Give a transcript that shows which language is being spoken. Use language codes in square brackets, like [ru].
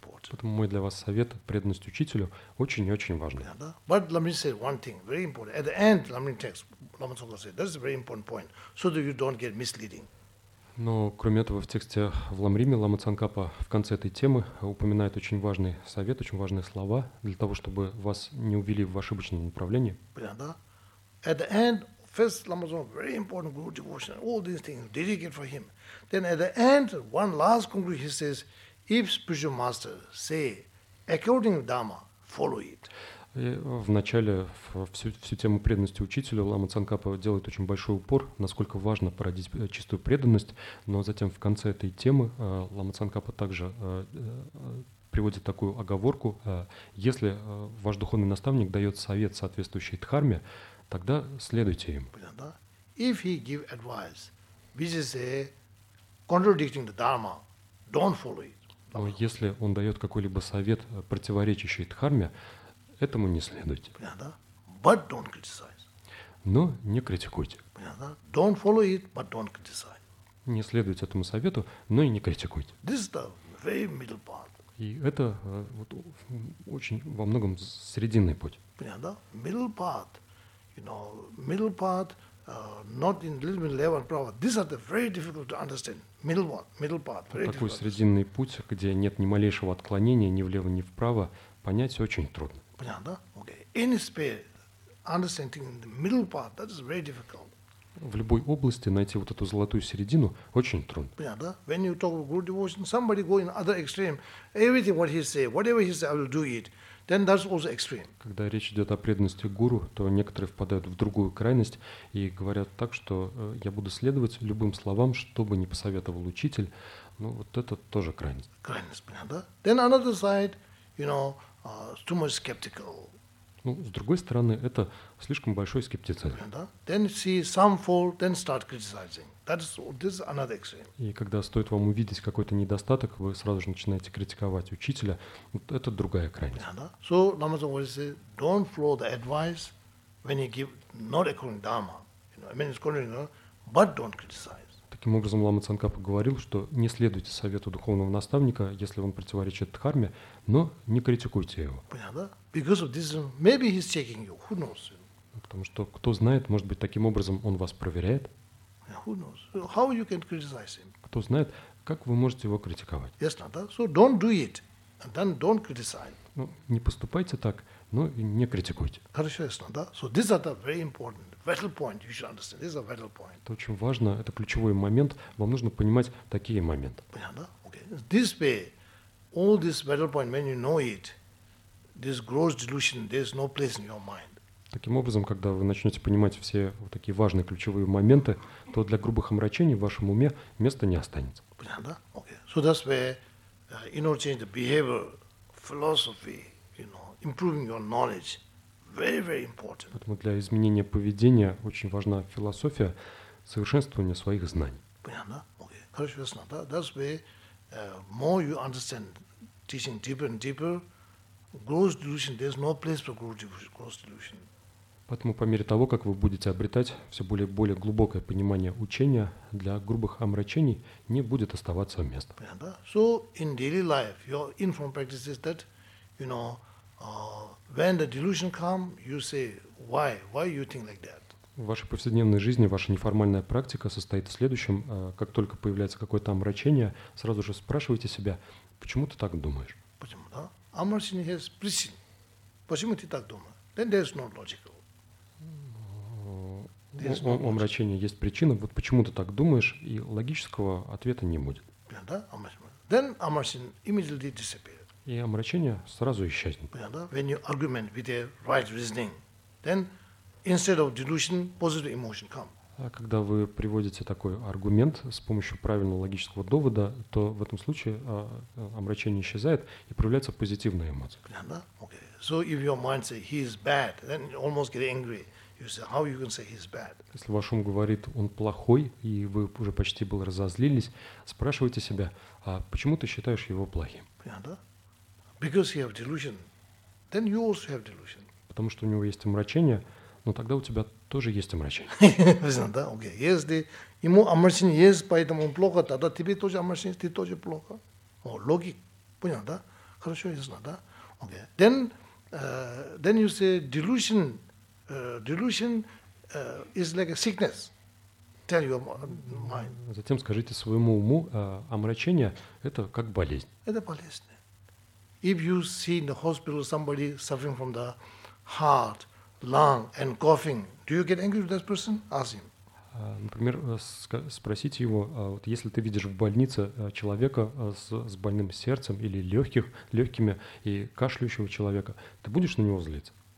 [ru] Поэтому мой для вас совет, преданность учителю, очень и очень важен. [en] But Lama said one thing, very important. At the end, Lama Tsongkhapa said, that's a very important point, so that you don't get misleading. [ru] Но, кроме этого, в тексте в Ламриме Лама Цанкапа в конце этой темы упоминает очень важный совет, очень важные слова для того, чтобы вас не увели в ошибочное направление. [en] At the end, first Lama Tsongkhapa, very important guru devotion, all these things, dedicate for him. Then at the end, one last conclusion, he says, if spiritual master say, according to Dhamma, follow it. [ru] И в начале, всю тему преданности учителю, Лама Цанкапа делает очень большой упор, насколько важно породить чистую преданность, но затем в конце этой темы Лама Цанкапа также приводит такую оговорку, если ваш духовный наставник дает совет соответствующей дхарме, тогда следуйте им. [en] If he give advice, which is contradicting the dharma, don't follow it. [ru] Но если он дает какой-либо совет, противоречащий дхарме, этому не следуйте. Понятно? [en] But don't criticize. [ru] Но не критикуйте. Понятно? [en] Don't follow it, but don't criticize. [ru] Не следуйте этому совету, но и не критикуйте. [en] This is the very middle part. [ru] И это вот, очень во многом срединный путь. Понятно? [en] Middle part. You know, middle part, not in little bit level power. These are the very difficult to understand. Middle part, middle part. [ru] Вот такой срединный путь, где нет ни малейшего отклонения ни влево, ни вправо, понять очень трудно. Понятно, да? Okay. [en] Any sphere, understanding the middle part, that is very difficult. [ru] В любой области найти вот эту золотую середину очень трудно. Понятно, да? [en] When you talk about guru devotion, somebody go in other extreme. Everything what he say, whatever he say, I will do it. Then that's also extreme. [ru] Когда речь идет о преданности гуру, то некоторые впадают в другую крайность и говорят так, что я буду следовать любым словам, что бы ни посоветовал учитель. Ну, вот это тоже крайность. Крайность, понятно, да? [en] Then another side, you know, too much skeptical. [ru] Ну, с другой стороны, это слишком большой скептицизм. [en] Yeah, да? Then see some fault, then start criticizing. This is another extreme. [ru] И когда стоит вам увидеть какой-то недостаток, вы сразу же начинаете критиковать учителя. Вот это другая крайность. Yeah, да? [en] So Lama Tsongkhapa says, don't follow the advice when he give not according to Dharma. You know, I mean, it's according, you know, but don't criticize. [ru] Таким образом, Лама Цанкапа говорил, что не следуйте совету духовного наставника, если он противоречит дхарме, но не критикуйте его. Понятно? [en] Because of this, maybe he's checking you. Who knows? [ru] Потому что кто знает, может быть, таким образом он вас проверяет. [en] Who knows? How you can criticize him? [ru] Кто знает, как вы можете его критиковать? [en] Yes, not that. So don't do it, and then don't criticize. [ru] Ну, не поступайте так, но и не критикуйте. Хорошо, ясно, да? [en] So these are the very important. Vital point, you should understand. This is a vital point. [ru] Это очень важно, это ключевой момент. Вам нужно понимать такие моменты. Понятно? Okay. [en] This way, all this vital point, when you know it, this gross delusion, there is no place in your mind. [ru] Таким образом, когда вы начнете понимать все вот такие важные ключевые моменты, то для грубых омрачений в вашем уме места не останется. Понятно? Okay. [en] So that's where, in order to change the behavior, philosophy, you know, improving your knowledge. Very, very important. [ru] Поэтому для изменения поведения очень важна философия совершенствования своих знаний. Понятно? [en] Okay. [ru] Хорошо, ясно. [en] That's where more you understand teaching deeper and deeper, gross delusion, there's no place for gross delusion. [ru] Поэтому по мере того, как вы будете обретать все более и более глубокое понимание учения, для грубых омрачений не будет оставаться места. [en] So in daily life, your informal practice is that, you know, when the delusion comes, you say, why you think like that? [ru] В вашей повседневной жизни ваша неформальная практика состоит в следующем. Как только появляется какое-то омрачение, сразу же спрашивайте себя, почему ты так думаешь? Почему, да? Омрачение [en] has [ru] причин. Почему ты так думаешь? [en] Then there's no logical. [ru] Омрачение есть причина, вот почему ты так думаешь, и логического ответа не будет. [en] Then омрачение immediately disappears. [ru] И омрачение сразу исчезнет. [en] When you argument with a right reasoning, then instead of delusion, positive emotion come. [ru] Когда вы приводите такой аргумент с помощью правильного логического довода, то в этом случае омрачение исчезает и проявляется позитивная эмоция. [en] Okay. So if your mind say he is bad, then you almost get angry. You say, how you can say he's bad? [ru] Если ваш ум говорит, он плохой, и вы уже почти был разозлились, спрашивайте себя, а почему ты считаешь его плохим? [en] Because you have delusion, then you also have delusion. [ru] Потому что у него есть омрачение, но тогда у тебя тоже есть омрачение. Понятно, да? Окей. Если ему омрачение есть, поэтому он плохо, тогда тебе тоже омрачение, ты тоже плохо. О, логик. Понятно, да? Хорошо, ясно, да? Окей. [en] Then you say delusion. Delusion is like a sickness. Tell your mind. [ru] Затем скажите своему уму, омрачение – это как болезнь. Это болезнь. [en] If you see in the hospital somebody suffering from the heart, lung, and coughing, do you get angry with that person? Ask him. [ru] Например, спросите его, вот если ты видишь в больнице человека с больным сердцем или легкими и кашляющего человека, ты будешь на него злиться?